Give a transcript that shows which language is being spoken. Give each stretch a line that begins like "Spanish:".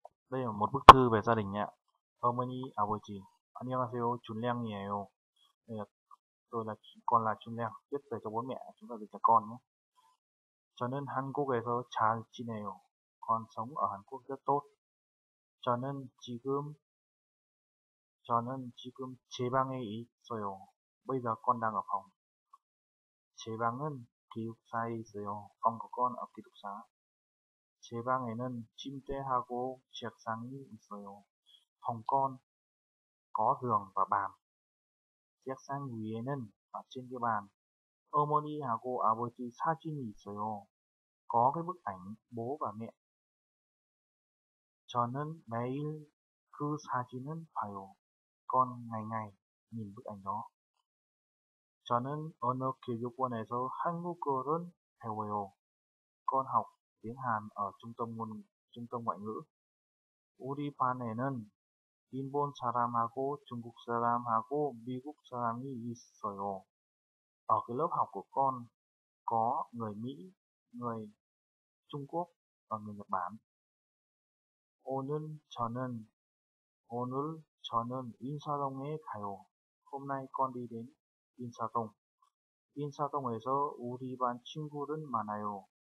Korean: 네, 뭐 부터 배달했냐? 어머니, 아버지. 안녕하세요. 준량이에요. 네.
Vietnamese: Tôi là con là Junliang. Viết về cho bố mẹ, chúng ta dịch cho con nhé.
Korean: 저는 한국에서 잘 지내요.
Vietnamese: Con sống ở Hàn Quốc rất tốt.
Korean: 저는 지금 제 방에 있어요.
Vietnamese: Bây giờ con đang ở phòng.
Korean: 제 방은 기숙사에 있어요.
Vietnamese: Phòng của con ở ký túc xá.
Korean: 제 방에는 침대하고 책상이 있어요.
Vietnamese: Phòng con có giường và bàn.
Korean: 책상 위에는
Vietnamese: ở trên cái bàn.
Korean: 어머니하고 아버지 사진이 있어요.
Vietnamese: Có cái bức ảnh bố và mẹ.
Korean: 저는 매일 그 사진을 봐요.
Vietnamese: Con ngày ngày nhìn bức ảnh đó.
Korean: 저는 어느 교육원에서 한국어를 배워요.
Vietnamese: Con học tiếng Hàn ở trung tâm ngoại ngữ.
Korean: 우리 반에는 일본 사람하고 중국 사람하고 미국 사람이 있어요.
Vietnamese: Ở cái lớp học của con có người Mỹ, người Trung Quốc và người Nhật Bản.
Korean: 오늘 저는 인사동에 가요.
Vietnamese: Hôm nay con đi đến Insadong.
Korean: Insadong에서 우리 반 친구를 만나요.